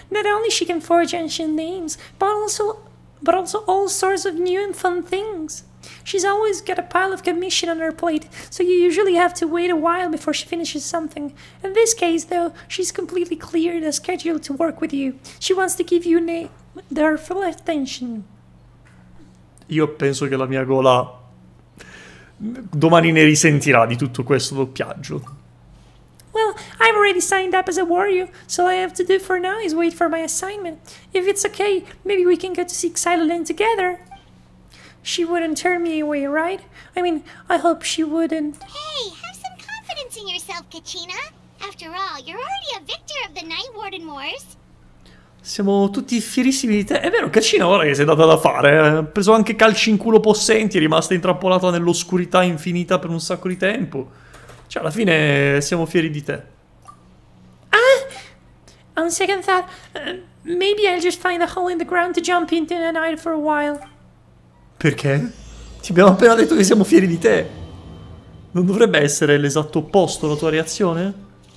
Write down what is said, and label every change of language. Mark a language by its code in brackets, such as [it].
[en] Not only she can forge ancient names, but also all sorts of new and fun things. She's always got a pile of commission on her plate, so you usually have to wait a while before she finishes something. In this case, though, she's completely cleared a schedule to work with you. She wants to give you her full attention. [it] Io penso che la mia gola domani ne risentirà di tutto questo doppiaggio. [en] Well, I've already signed up as a warrior, so all I have to do for now is wait for my assignment. If it's okay, maybe we can go to see Xylone together. She wouldn't turn me away, right? I mean, I hope she wouldn't. Hey, have some confidence in yourself, Kachina. After all, you're already a victor of the Night Warden Wars. [it] Siamo tutti fierissimi di te. È vero, Kachina, ora che sei data da fare, ha preso anche calci in culo possenti, è rimasta intrappolata nell'oscurità infinita per un sacco di tempo. Cioè, alla fine siamo fieri di te. Ah! [en] On second thought, maybe I'll just find a hole in the ground to jump into and hide for a while. [it] Perché? Ti abbiamo appena detto che siamo fieri di te. Non dovrebbe essere l'esatto opposto la tua reazione?